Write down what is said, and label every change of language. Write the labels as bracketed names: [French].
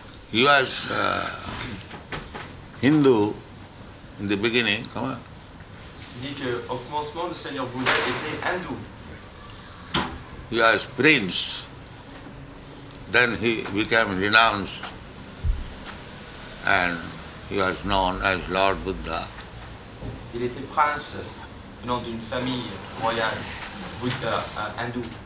[English] He was Hindu in the beginning. Come on. [French] Dit que au commencement le Seigneur Bouddha était hindou. [English] He was prince. Then he became renounced and he was known as Lord Buddha. [French] Il était prince venant d'une famille royale Bouddha hindou.